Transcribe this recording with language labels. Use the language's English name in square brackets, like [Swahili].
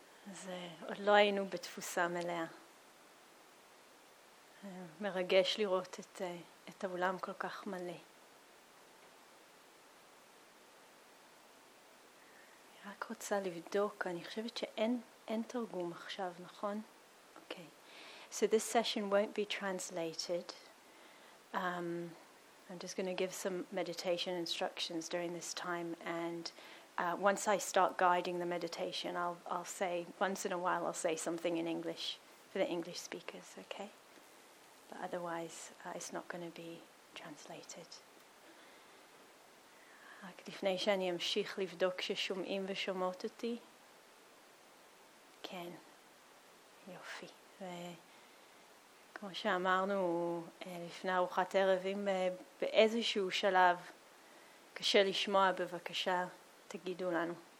[Hebrew] אז עוד לא היינו בתפוסה מלאה. מרגש לראות את האולם כל כך מלא. רק רוצה לבדוק, אני חושבת שאין תרגום עכשיו, נכון? [English] Okay. So this session won't be translated. I'm just going to give some meditation instructions during this time, and once I start guiding the meditation, I'll say, once in a while, I'll say something in English for the English speakers, okay? But otherwise, it's not going to be translated. [Hebrew] רק לפני שאני אמשיך לבדוק ששומעים ושומעות אותי. כן, יופי. וכמו שאמרנו לפני ארוחת ערב, אם באיזשהו שלב קשה לשמוע, בבקשה תגידו לנו.